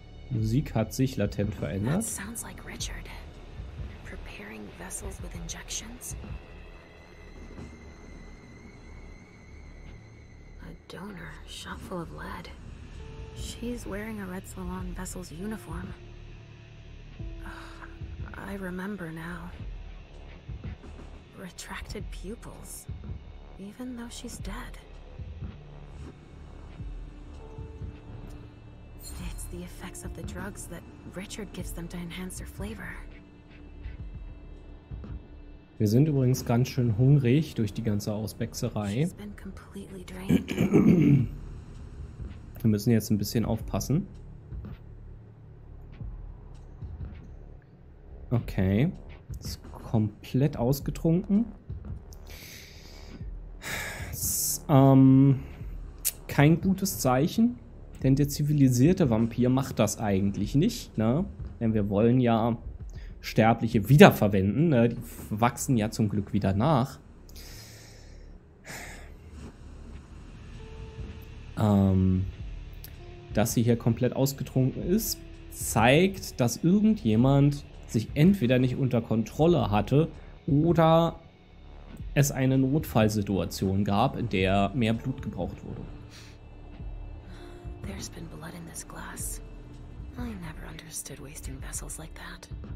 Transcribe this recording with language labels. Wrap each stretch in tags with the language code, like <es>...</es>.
<de>Musik hat sich latent verändert.</de> <en>That sounds like Richard. Preparing vessels with injections. Donor, shot full of lead. She's wearing a Red Salon vessel's uniform. Ugh, I remember now. Retracted pupils. Even though she's dead. It's the effects of the drugs that Richard gives them to enhance her flavor.</en> <de>Wir sind übrigens ganz schön hungrig durch die ganze Ausbäckserei. Wir müssen jetzt ein bisschen aufpassen. Okay. Ist komplett ausgetrunken. kein gutes Zeichen, denn der zivilisierte Vampir macht das eigentlich nicht, ne? Denn wir wollen ja Sterbliche wiederverwenden, ne? Die wachsen ja zum Glück wieder nach. Dass sie hier komplett ausgetrunken ist, zeigt, dass irgendjemand sich entweder nicht unter Kontrolle hatte oder es eine Notfallsituation gab, in der mehr Blut gebraucht wurde.</de> <en>There's been blood in this glass. I never understood wasting vessels like that.</en>